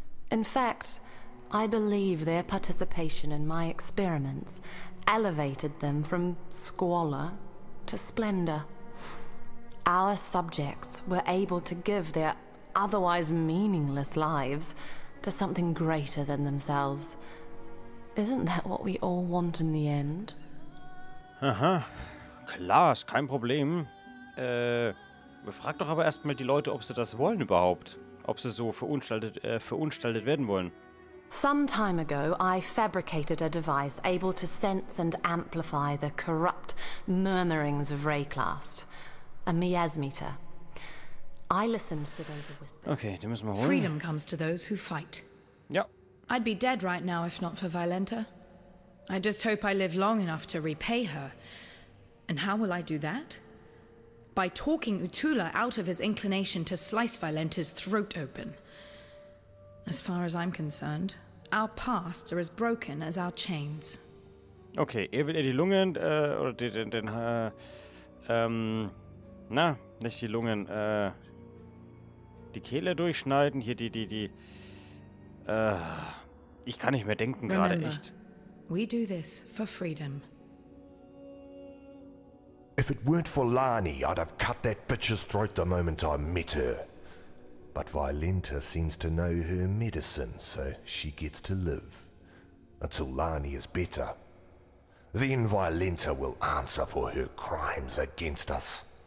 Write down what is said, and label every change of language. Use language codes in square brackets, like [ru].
[en] In fact, I believe their participation in my experiments elevated them from squalor to splendor. Our subjects were able to give their otherwise meaningless lives to something greater than themselves. Isn't that what we all want in the end? [de] Aha, klar, ist kein Problem. Frag doch aber erstmal die Leute, ob sie das wollen überhaupt. Ob sie so verunstaltet werden wollen. [en] Some time ago, I fabricated a device able to sense and amplify the corrupt murmurings of Rayclast. A miasmeter. I listened to those whispers. [de] Okay, den müssen wir holen. [en] Freedom comes to those who fight. [de] Ja. [en] I'd be dead right now if not for Violenta. I just hope I live long enough to repay her. And how will I do that? By talking Utula out of his inclination to slice Violenta's throat open. As far as I'm concerned, our pasts are as broken as our chains. [de] Okay, er will ihr die Lungen, oder den na, nicht die Lungen, die Kehle durchschneiden, hier ich kann nicht mehr denken gerade, echt. [en] We do this for freedom. If it weren't for Lani, I'd have cut that bitch's throat the moment I met her. But Violenta seems to know her medicine, so she gets to live. Until Lani is better. Then Violenta will answer for her crimes against us.